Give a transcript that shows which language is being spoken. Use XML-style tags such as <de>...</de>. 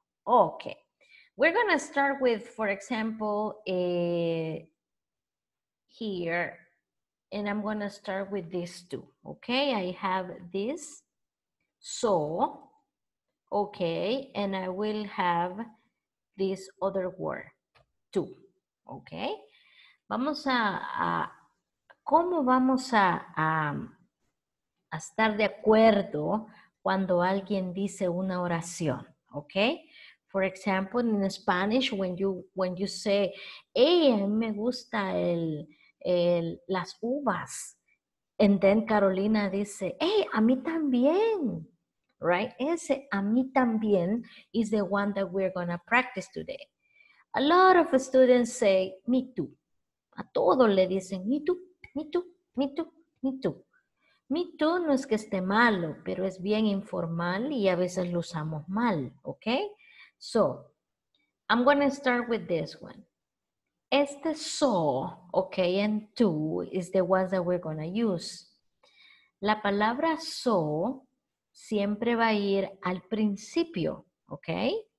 <en>Okay, we're going to start with, for example, a... here, and I'm gonna start with these two, okay? I have this, so, okay, and I will have this other word, two, okay?</en> <es>Vamos a ¿cómo vamos a estar de acuerdo cuando alguien dice una oración, okay?</es> <en>For example, in Spanish, when you say, hey, a mí me gusta el...</en> <es>las uvas. And then Carolina dice, hey, a mí también. Right?</es> <en>Ese a mí también is the one that we're going to practice today. A lot of students say, me too. A todos le dicen, me too, me too, me too, me too.</en> <es>Me too no es que esté malo, pero es bien informal y a veces lo usamos mal.</es> <en>Okay? So, I'm going to start with this one. Este so, okay, and to is the ones that we're gonna use.</en> <es>La palabra so siempre va a ir al principio, okay?</es>